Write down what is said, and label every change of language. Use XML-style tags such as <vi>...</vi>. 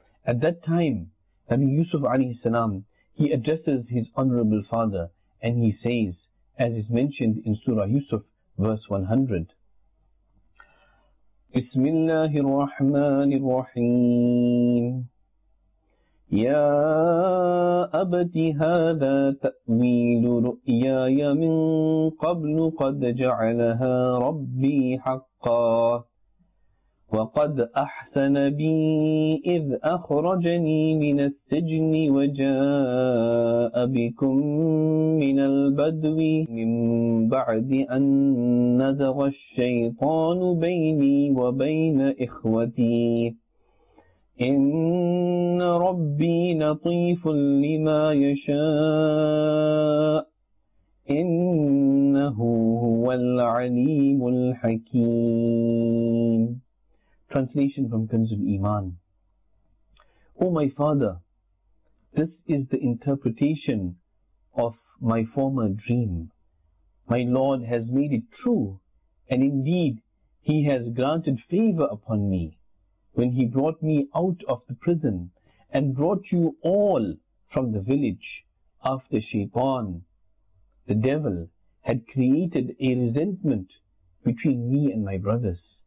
<en>At that time, Nabi Yusuf alayhi salam, he addresses his honorable father and he says, as is mentioned in Surah Yusuf, verse 100,</en> <ar>Bismillahir Rahmanir Rahim. يا أبت هذا تأويل رؤياي من قبل قد جعلها ربي حقا وقد أحسن بي إذ أخرجني من السجن وجاء بكم من البدو من بعد أن نزغ الشيطان بيني وبين إخوتي إن ربي لطيف لما يشاء إنه هو العليم الحكيم.</ar> <en>Translation from Kunz al-Iman. O my father, this is the interpretation of my former dream. My Lord has made it true, and indeed He has granted favor upon me when He brought me out of the prison and brought you all from the village after Shaitan, the devil, had created a resentment between me and my brothers.</en>